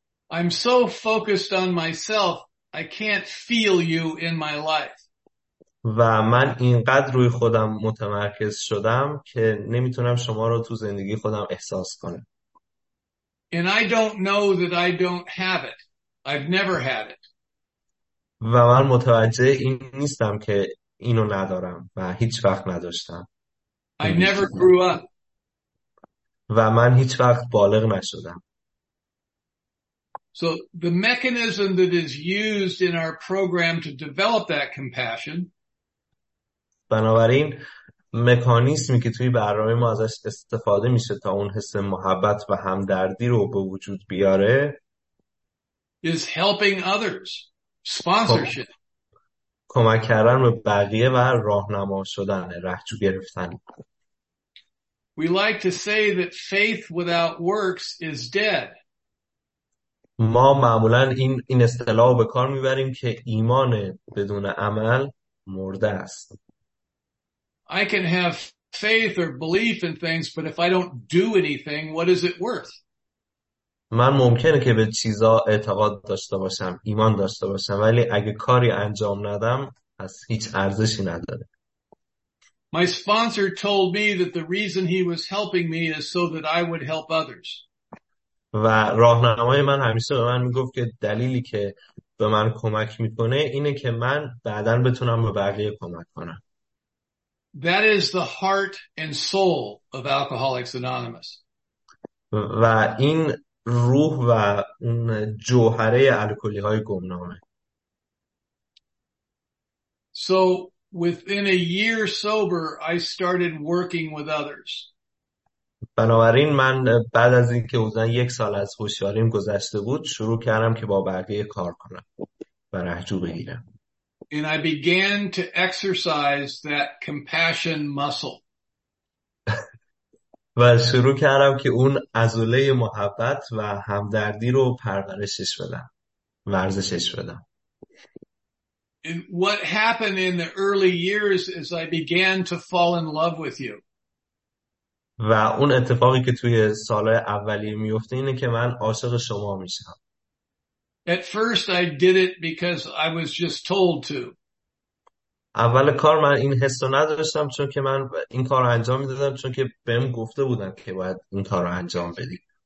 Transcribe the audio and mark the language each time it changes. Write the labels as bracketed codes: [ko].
[en] I'm so focused on myself, I can't feel you in my life. [fa] و من اینقدر روی خودم متمرکز شدم که نمیتونم شما رو تو زندگی خودم احساس کنم. [en] And I don't know that I don't have it. I've never had it. [fa] و من متوجه این نیستم که اینو ندارم و هیچ وقت نداشتم. [en] I never grew up. [fa] و من هیچ وقت بالغ نشدم. [en] So the mechanism that is used in our program to develop that compassion, [fa] بنابراین مکانیزمی که توی برنامه ما ازش استفاده میشه تا اون حس محبت و همدردی رو به وجود بیاره، [en] is helping others, sponsorship. [fa] کمک کردن به بقیه و راهنما شدن، رهجو گرفتن. [en] We like to say that faith without works is dead. [fa] ما معمولا این اصطلاح رو به کار میبریم که ایمان بدون عمل مرده است. [en] I can have faith or belief in things, but if I don't do anything, what is it worth? [fa] من ممکنه که به چیزا اعتقاد داشته باشم، ایمان داشته باشم، ولی اگه کاری انجام ندم، از هیچ ارزشی نداره. [en] My sponsor told me that the reason he was helping me is so that I would help others. [fa] و راهنمای من همیشه به من میگفت که دلیلی که به من کمک میکنه اینه که من بعداً بتونم به بقیه کمک کنم. [en] That is the heart and soul of Alcoholics Anonymous. [fa] و این روح و اون جوهره الکلی‌های گمنامه. [en] So within a year sober, I started working with others. [fa] بنابراین من بعد از اینکه حدوداً یک سال از هوشیاریم گذشته بود، شروع کردم که با بقیه کار کنم و رهجو بگیرم. [en] And I began to exercise that compassion muscle. [fa] و شروع کردم که اون عضله محبت و همدردی رو پرورشش بدم، ورزشش بدم. [en] And what happened in the early years is I began to fall in love with you. [fa] و اون اتفاقی که توی سالهای اولیه میفته اینه که من عاشق شما میشم. [en] At first I did it because I was just told to. [fa] اول کار من این حس رو نداشتم، چون که من این کار رو انجام میدادم چون که بهم گفته بودن که باید این کار رو انجام بدیم.